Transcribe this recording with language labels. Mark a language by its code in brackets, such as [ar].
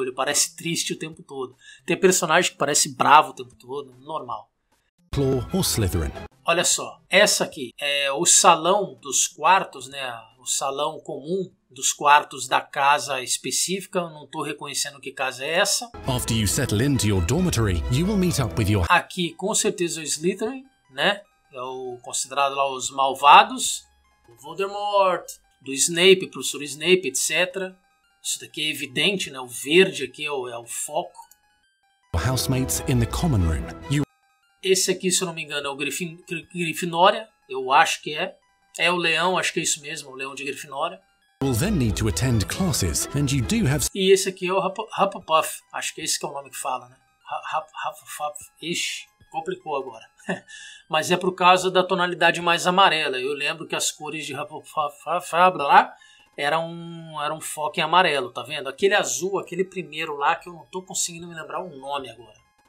[pt] Ele parece triste o tempo todo. Tem personagem que parece bravo o tempo todo, normal. Claw ou Slytherin. Olha só, essa aqui é o salão dos quartos, né? O salão comum dos quartos da casa específica, eu não estou reconhecendo que casa é essa. [en] After you settle into your dormitory, you will meet up with your... [pt] Aqui, com certeza, é o Slytherin, né? É o considerado lá os malvados. O Voldemort, do Snape, professor Snape, etc. Isso daqui é evidente, né? O verde aqui é o foco. [en] Housemates in the common room. You... [pt] Esse aqui, se eu não me engano, é o Grifinória. Eu acho que é. É o leão, acho que é isso mesmo, o leão de Grifinória. [en] Will then need to attend classes, and you do have... [pt] E esse aqui é o Hufflepuff. Acho que é esse que é o nome que fala, né? Hufflepuff. Ixi, complicou agora. Mas é por causa da tonalidade mais amarela. Eu lembro que as cores de Hufflepuff eram um foco em amarelo, tá vendo? Aquele azul, aquele primeiro lá, que eu não tô conseguindo me lembrar o nome agora.